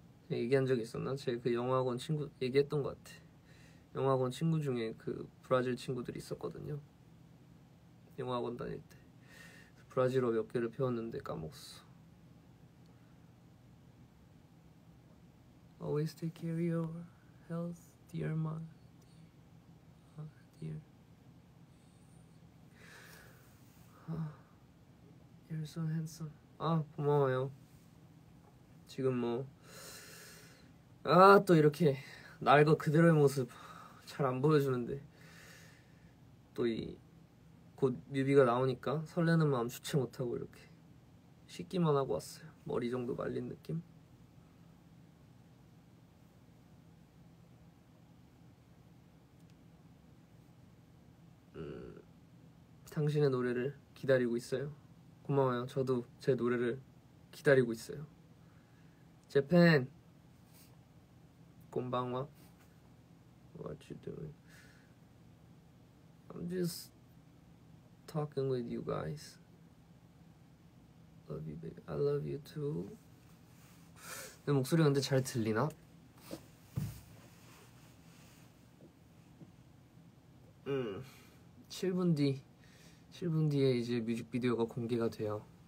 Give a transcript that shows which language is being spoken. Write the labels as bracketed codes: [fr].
[ko] 얘기한 적 있었나? 제그 영어학원 친구 얘기했던 것 같아. 영어학원 친구 중에 그 브라질 친구들이 있었거든요. 영어학원 다닐 때 브라질어 몇 개를 배웠는데 까먹었어. [en] Always take care of your health, dear my dear. You're so handsome. [ko] 아, 고마워요. 지금 뭐, 아, 또 이렇게 낡아 그대로의 모습 잘안 보여주는데 또이곧 뮤비가 나오니까 설레는 마음 주체 못하고 이렇게 씻기만 하고 왔어요. 머리 정도 말린 느낌? 당신의 노래를 기다리고 있어요. 고마워요. 저도 제 노래를 기다리고 있어요. [en] 재팬! [ja] 곤방와? [en] What you doing? I'm just talking with you guys. Love you, baby. I love you too. [ko] 내 목소리 근데 잘 들리나? 7분 뒤. 7분 뒤에 이제 뮤직비디오가 공개가 돼요.